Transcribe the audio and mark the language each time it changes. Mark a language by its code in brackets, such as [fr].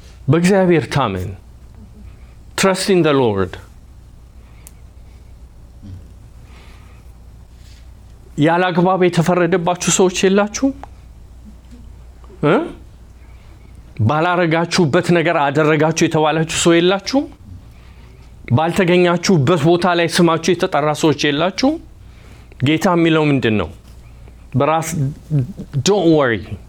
[am] በእግዚአብሔር ታመን። [en] Trust in the Lord. [am] ያላግባብ የተፈረደባችሁ ሰዎች የላችሁ? እ? ባላረጋችሁበት ነገር አደረጋችሁ የተባላችሁ ሰው የላችሁ? ባልተገኛችሁበት ቦታ ላይ ስማችሁ የተጠራ ሰዎች የላችሁ? ጌታ የሚለው ምንድን ነው? በራስ [en] Don't worry.